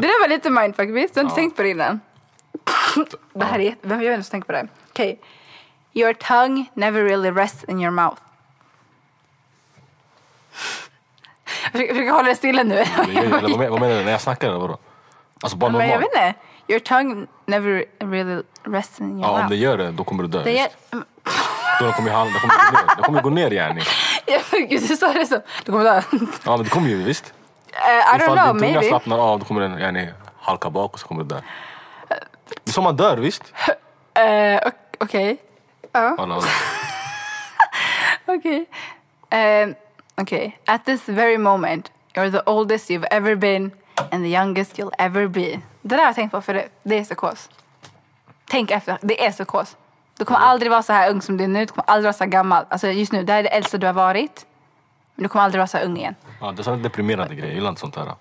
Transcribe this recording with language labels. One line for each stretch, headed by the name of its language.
Swedish: Det där var lite mindfuck, visst? Du har inte tänkt på det innan. Det här är vem gör ens tänkt på det? Okej. Okay.
English: Your tongue never really rests in your mouth.
Swedish: Jag hålla det stilla nu. Vad menar du när jag snackar eller vadå? Alltså bara normalt. Men jag vet inte.
English: Your tongue never really rests in your mouth.
Swedish: Om det gör det, då kommer du dö. Då kommer jag gå ner. Då kommer jag gå ner, gärning. Gud, du sa det så. Du kommer dö. Ja, men det kommer ju, visst.
English: I don't know, maybe.
Swedish: Ifall din tunga slappnar av, då kommer den gärning halka bak och så kommer du dö. Det som man dör, visst. Okej. Ja. Okej.
English: Okay, at this very moment, you're the oldest you've ever been and the youngest you'll ever be.
Swedish: Det där har jag tänkt på förut. Det är så kos. Tänk efter. Det är så kos. Du kommer aldrig vara så här ung som du är nu. Du kommer aldrig vara så gammal. Alltså just nu, det är det äldsta du har varit. Men du kommer aldrig vara så ung igen. Ja, det är en deprimerande grej. Jag gillar inte sånt här.